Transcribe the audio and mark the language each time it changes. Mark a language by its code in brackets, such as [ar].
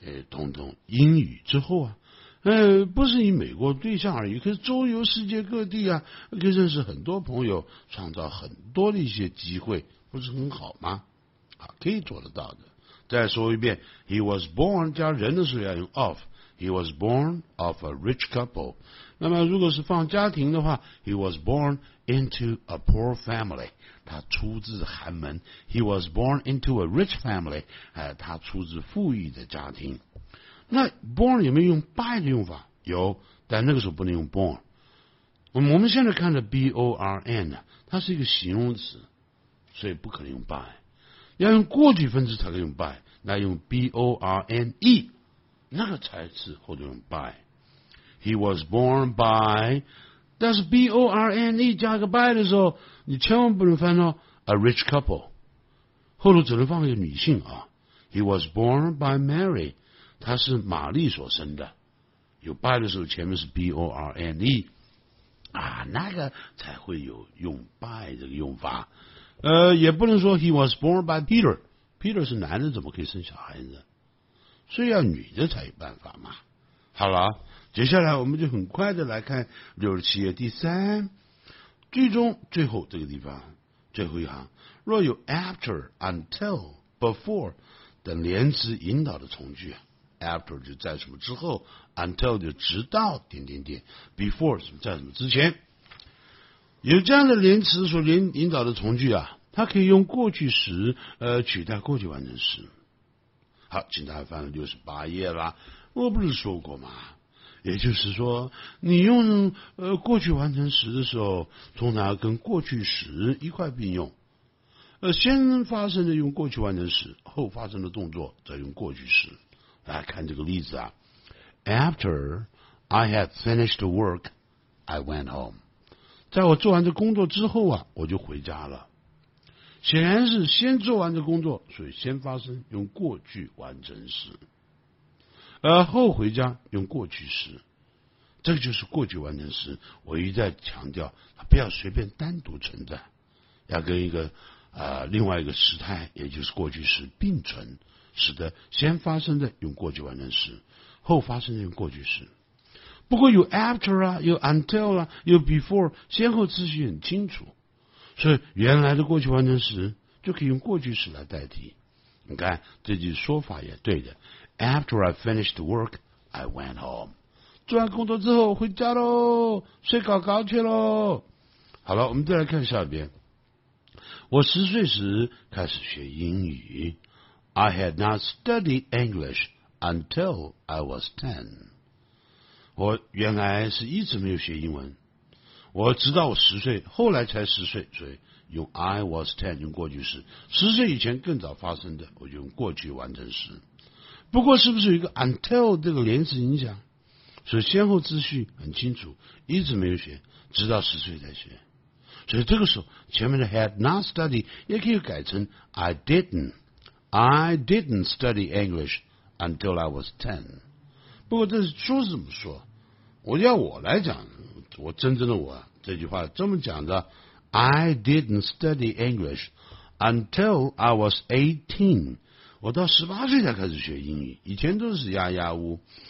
[zh] 懂懂英语之后啊，不是以美国对象而已，可是周游世界各地啊，可以认识很多朋友，创造很多的一些机会，不是很好吗？啊，可以做得到的。再说一遍 ， [en] He was born [zh] 加人的时候要用 of。 [en] He was born of a rich couple。 [zh] 那么如果是放家庭的话 [en] ，He was born into a poor family。 [zh] 他出自寒门 ， [en] He was born into a rich family， [zh] 他出自富裕的家庭。那 born 有没有用 by 的用法？有，但那个时候不能用 born。我们现在看的 b o r n 呢，它是一个形容词，所以不可能用 by， 要用过去分词才可以用 by， 那用 b o r n e， 那个才是后头用 by。 [en] He was born by。 [zh] 但是 B-O-R-N-E 加个 by 的时候，你千万不能翻到 [en] a rich couple， [zh] 后头只能放一个女性啊。 [en] He was born by Mary， [zh] 他是玛丽所生的。有 by 的时候，前面是 B-O-R-N-E， 啊，那个才会有用 by 这个用法。也不能说 [en] He was born by Peter， [zh] Peter 是男的，怎么可以生小孩子？所以要女的才有办法嘛。好了。接下来我们就很快的来看67页第三句中最后这个地方最后一行，若有 after, until, before 等连词引导的从句， after 就在什么之后， until 就直到点点点， before 什么在什么之前，有这样的连词所引导的从句啊，它可以用过去时取代过去完成时。好，请大家翻了68页啦，我不是说过吗？也就是说，你用过去完成时的时候，通常跟过去时一块并用。先发生的用过去完成时，后发生的动作再用过去时。来看这个例子啊 [en] ，After I had finished work, I went home。 [zh] 在我做完这工作之后啊，我就回家了。显然是先做完这工作，所以先发生用过去完成时。后回家用过去时，这个就是过去完成时。我一再强调，不要随便单独存在，要跟一个另外一个时态，也就是过去时并存，使得先发生的用过去完成时，后发生的用过去时。不过有 after 啊，有 until 啊，有 before， 先后次序很清楚，所以原来的过去完成时就可以用过去时来代替。你看这句说法也对的。 [en] After I finished work, I went home. [zh] 做完工作之后回家咯，睡搞搞去咯。好了，我们再来看下边。我10岁时开始学英语。 [en] I had not studied English until I was 10. [zh] 我原来是一直没有学英文，我直到我十岁，后来才十岁，所以用 I was 10 用过去时，十岁以前更早发生的，我就用过去完成时。不过是不是有一个 until 这个连词影响，所以先后秩序很清楚，一直没有学，直到十岁才学。所以这个时候前面的 [en] had not studied [zh] 也可以改成 [en] I didn't study English until I was 10。 [zh] 不过这是说是怎么说，我要我来讲，我真正的我这句话这么讲的， [en] I didn't study English until I was 18。 [zh] 我到十八岁才开始学英语，以前都是呀呀呜。